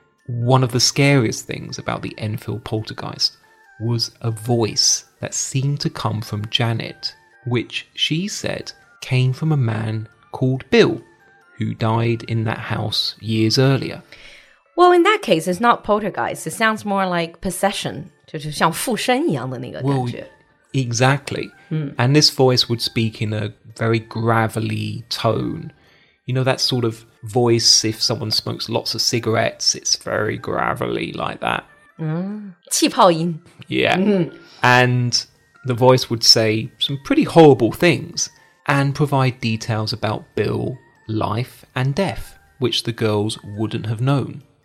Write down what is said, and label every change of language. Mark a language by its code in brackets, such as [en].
[en] One of the scariest things about the Enfield poltergeist was a voice that seemed to come from Janet, which she said came from a man called Bill, who died in that house years earlier. Well, in that case, it's not poltergeist. It sounds more like possession. [zh] 就是像附身一样的那个感觉。 [en] Well, exactly. Mm. And this voice would speak in a very gravelly tone. You know, that sort of voice, if someone smokes lots of cigarettes, it's very gravelly like that. [zh] Mm. 气泡音. [en] Yeah. Mm. And the voice would say some pretty horrible things and provide details about Bill, life and death, which the girls wouldn't have known.